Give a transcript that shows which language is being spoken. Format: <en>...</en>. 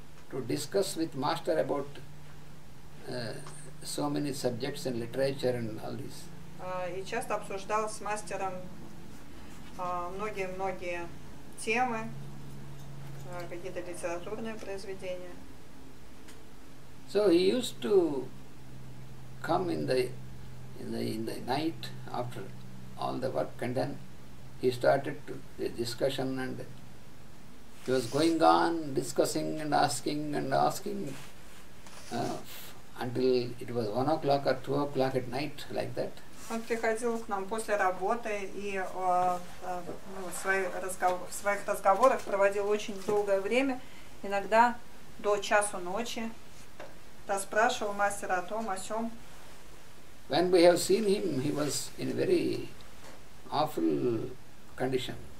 <en>To discuss with master about so many subjects in literature and all this.</en> <ru>И часто обсуждал с мастером многие-многие темы. Какие-то литературные произведения.</ru> <en>So he used to come in the night after all the work, and then he started to the discussion, and he was going on discussing and asking until it was 1 o'clock or 2 o'clock at night, like that.</en> <ru>Он приходил к нам после работы и в своих разговорах проводил очень долгое время, иногда до часу ночи, расспрашивал мастера о том, о сём.</ru> <en>When we have seen him, he was in a very awful condition.</en>